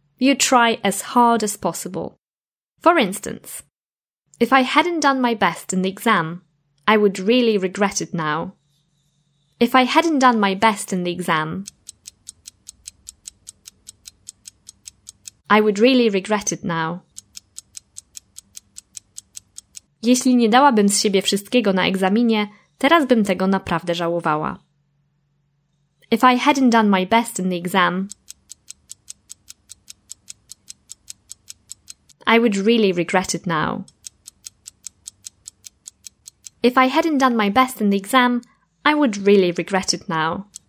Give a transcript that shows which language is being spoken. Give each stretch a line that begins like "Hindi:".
English: You try as hard as possible. For instance, if I hadn't done my best in the exam, I would really regret it now. If I hadn't done my best in the exam, I would really regret it now.
Polish: Jeśli nie dałabym z siebie wszystkiego na egzaminie, teraz bym tego naprawdę żałowała.
English: If I hadn't done my best in the exam, I would really regret it now. If I hadn't done my best in the exam, I would really regret it now.